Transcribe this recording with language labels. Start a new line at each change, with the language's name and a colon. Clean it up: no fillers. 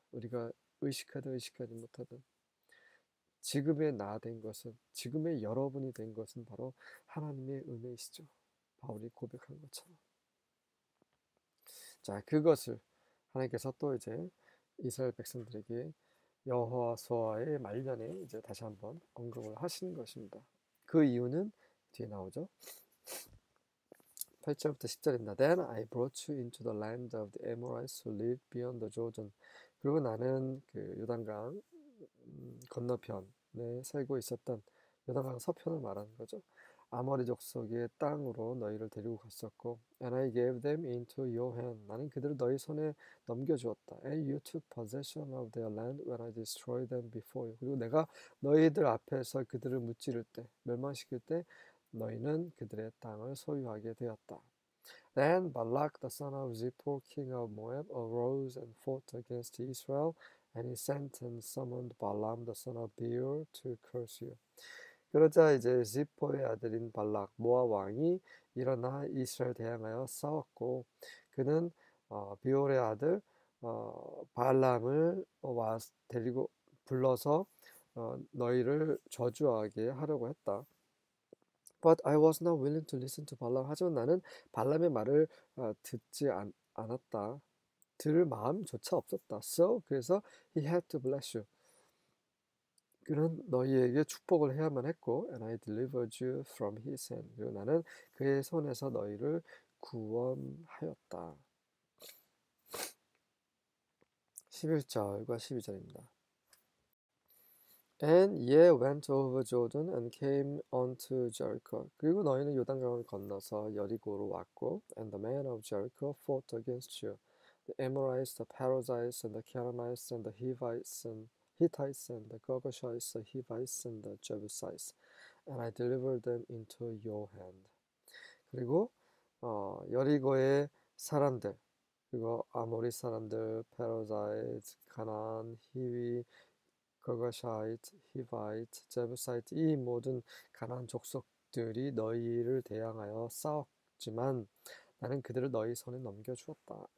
Korean: 우리가 의식하든 의식하지 못하든 지금의 나된 것은 지금의 여러분이 된 것은 바로 하나님의 은혜이시죠. 바울이 고백한 것처럼. 자, 그것을 하나님께서 또 이제 이스라엘 백성들에게 여호와 소아의 말년에 이제 다시 한번 언급을 하신 것입니다. 그 이유는 뒤에 나오죠. 8절부터 10절입니다.
English: Then I brought you into the land of the Amorites who live beyond the Jordan.
Korean: 그리고 나는 그 요단강 건너편에 살고 있었던 요단강 서편을 말하는 거죠. 아모리 족속의 땅으로 너희를 데리고 갔었고,
English: And I gave them into your hand.
Korean: 나는 그들을 너희 손에 넘겨주었다.
English: And you took possession of their land when I destroyed them before you.
Korean: 그리고 내가 너희들 앞에서 그들을 무찌를 때, 멸망시킬 때, 너희는 그들의 땅을 소유하게 되었다.
English: Then Balak the son of Zippor, king of Moab, arose and fought against Israel, and he sent and summoned Balaam the son of Beor to curse you.
Korean: 그러자 이제 지포의 아들인 발락 모아 왕이 일어나 이스라엘 대항하여 싸웠고, 그는 비오리의 아들 발람을 데리고 불러서 너희를 저주하게 하려고 했다.
English: But I was not willing to listen to Balaam.
Korean: 하지만 나는 발람의 말을 듣지 않았다. 들을 마음조차 없었다.
English: So
Korean: 그래서
English: he had to bless you.
Korean: 그는 너희에게 축복을 해야만 했고,
English: And I delivered you from his hand.
Korean: 그리고 나는 그의 손에서 너희를 구원하였다. 11절과 12절입니다.
English: And ye went over Jordan and came unto Jericho.
Korean: 그리고 너희는 요단강을 건너서 여리고로 왔고,
English: And the men of Jericho fought against you. The Amorites, the Perizzites, and the Canaanites, and the Hivites, and Hittites and the Girgashites, the Hivites and the Jebusites, and I delivered them into your hand.
Korean: 그리고 여리고의 사람들, 그리고 아모리 사람들, 페로자이트, 가나안, 히위, 거가샤이트, 히바이트, 제부사이트, 이 모든 가나안 족속들이 너희를 대항하여 싸웠지만 나는 그들을 너희 손에 넘겨주었다.